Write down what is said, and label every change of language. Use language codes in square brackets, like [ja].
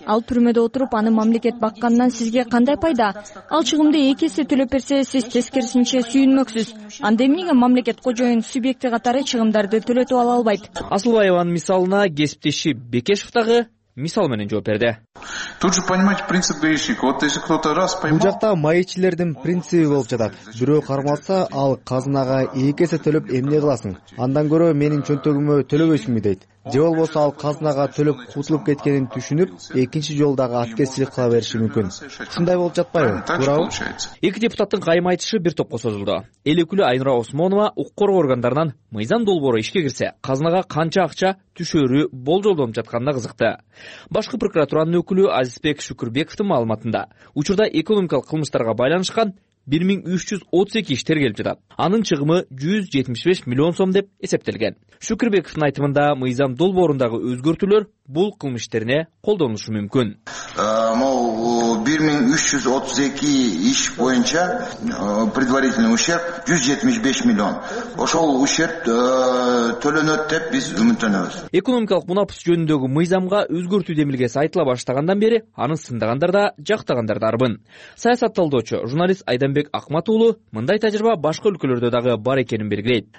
[ky] Ал түрмөдө отуруп, аны мамлекет баккандан сизге кандай пайда? Ал чыгымды кесе төлөп берсе, сиз тескерисинче сүйүнмөксүз. Анда эмнеге мамлекет кожоюн субъекти катары чыгымдарды төлөтүп ала албайт? Асылбаеванын мисалына кесиптеши Бекешев дагы мисал менен жооп берди. [ru] Тут же понимаете принцип гаишника. Вот если кто-то раз поймал. [ky] Бул жакта маечилердин принциби болуп жатат. Бирөө кармалса, ал казынага 2 эсе төлөп эмне кыласың? Андан көрө менин чөнтөгүмө төлөбөйсүңбү дейт. Же болбосо ал казынага төлөп кутулуп кеткенин түшүнүп, экинчи жолдагы аткезчилик кыла бериши мүмкүн. Ушундай болуп жатпайбы? Туурабы? Эки депутаттын кайым айтышы бир топко созулду. Эл өкүлү Айнура Осмонова укук коргоо органдарынан мыйзам долбоору ишке кирсе, казынага канча акча түшөрү болжолдонуп жатканына кызыкты. Башкы прокуратуранын өкүлү Азизбек Шүкүрбековдун маалыматында учурда экономикалык кылмыштарга байланышкан 1332 иш тергелип жатат. Анын чыгымы 175 миллион сом деп эсептелген. Шүкүрбековдун айтымында мыйзам долбоорундагы өзгөртүүлөр бул кылмыштарына колдонулушу мүмкүн. 1332 иш боюнча [ru] предварительный ущерб [ky] 175 миллион. Ошол ущерб төлөнөт деп биз үмүттөнөбүз. Экономикалык мунапыс жөнүндөгү мыйзамга өзгөртүү демилгеси айтыла баштагандан бери аны сындагандар да, жактагандар да арбын. Саясат талдоочу журналист Айданбек Акмат уулу мындай тажрыйба башка өлкөлөрдө дагы бар экенин белгилейт.